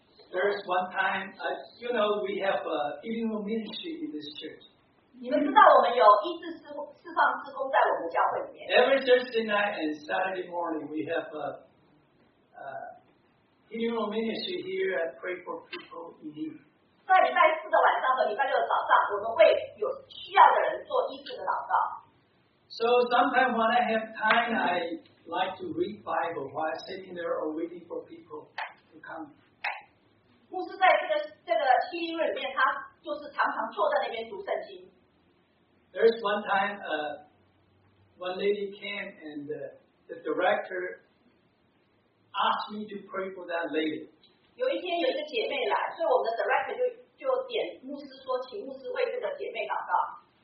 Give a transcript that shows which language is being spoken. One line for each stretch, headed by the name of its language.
English: There is one time, you know, we have a healing room ministry in this church.
Chinese: 你们知道我们有医治释放施工在我们教会里面。
English: Every Thursday night and Saturday morning, we have a healing room ministry here and pray for people in need.
Chinese: 在礼拜四的晚上和礼拜六的早上，我们会有需要的人做医治的祷告。
English: So sometimes when I have time, I like to read Bible while sitting there or waiting for people to come.
Chinese: 牧师在这个healing room里面，他就是常常坐在那边读圣经。
English: There is one time, one lady came and the director asked me to pray for that lady.
Chinese: 有一天有一个姐妹来，所以我们的 director 就点牧师说，请牧师为这个姐妹祷告。